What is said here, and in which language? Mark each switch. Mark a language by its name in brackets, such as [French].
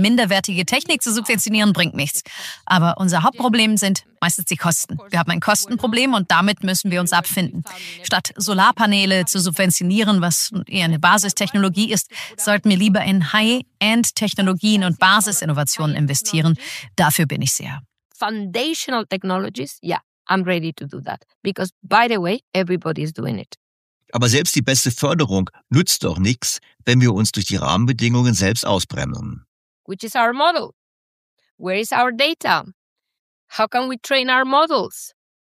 [German] Minderwertige Technik zu subventionieren bringt nichts. Aber unser Hauptproblem sind meistens die Kosten. Wir haben ein Kostenproblem und damit müssen wir uns abfinden. Statt Solarpaneele zu subventionieren, was eher eine Basistechnologie ist, sollten wir lieber in High-End-Technologien und Basisinnovationen investieren. Dafür bin ich sehr. [English] Foundational technologies, yeah, I'm ready to do that. Because, by the way, everybody is doing it. [German] Aber selbst die beste Förderung nützt doch nichts, wenn wir uns durch die Rahmenbedingungen selbst ausbremsen. [English] Which is our model? Where is our data? How can we train our models?